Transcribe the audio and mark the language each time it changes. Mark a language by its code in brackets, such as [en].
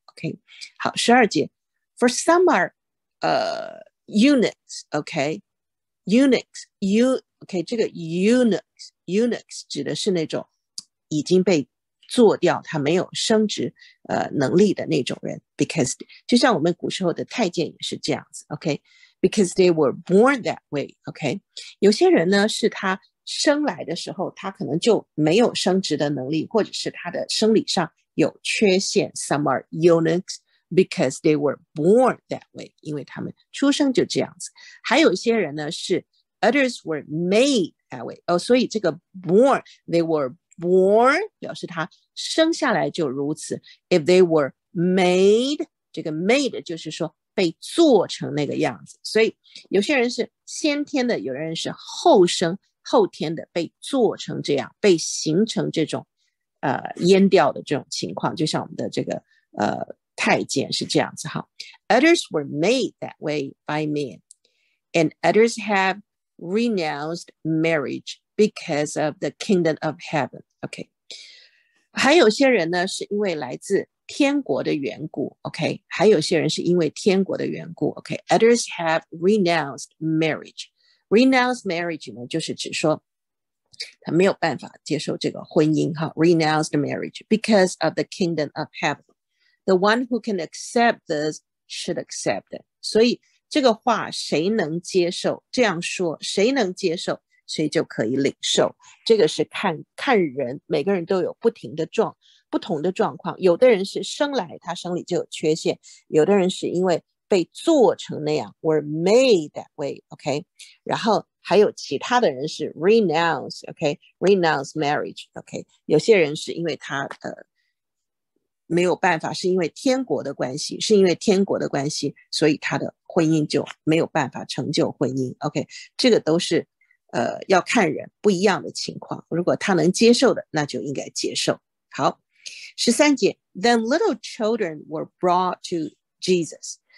[zh] OK， 好，十二节 ， [en] For some are eunuchs， [zh] OK， eunuchs， u， OK， 这个 eunuchs， eunuchs 指的是那种已经被做掉，他没有升职能力的那种人。 [en] Because [zh] 就像我们古时候的太监也是这样子。 [en] OK， because they were born that way。 [zh] OK， 有些人呢是他生来的时候他可能就没有升职的能力，或者是他的生理上有缺陷。 [en] Some are eunuchs because they were born that way， [zh] 因为他们出生就这样子。还有一些人呢是 [en] others were made that way、 [zh] 哦、所以这个 born， [en] they were born [zh] 表示他生下来就如此。 [en] If they were made， [zh] 这个 made 就是说被做成那个样子。所以有些人是先天的，有人是后生后天的，被做成这样，被形成这种阉掉的这种情况，就像我们的这个太监是这样子哈。 [en] Others were made that way by men, and others have renounced marriage because of the kingdom of heaven. [zh] OK， 还有些人呢是因为来自天国的缘故。 OK， 还有些人是因为天国的缘故。 OK， [en] others have renounced marriage。 Renounce marriage [zh] 呢，就是指说他没有办法接受这个婚姻哈。 [en] Renounce marriage because of the kingdom of heaven. The one who can accept this should accept it. [zh] 所以这个话谁能接受？这样说谁能接受，谁就可以领受。这个是看人，每个人都有不同的状况。有的人是生来他生理就有缺陷，有的人是因为被做成那样 [en] were made that way, OK? [zh] 然后还有其他的人是 renounce, OK? [en] renounce marriage, OK? [zh] 有些人是因为他没有办法，是因为天国的关系，是因为天国的关系，所以他的婚姻就没有办法成就婚姻， OK? 这个都是要看人不一样的情况，如果他能接受的那就应该接受。好，十三节 [en] Then little children were brought to Jesus.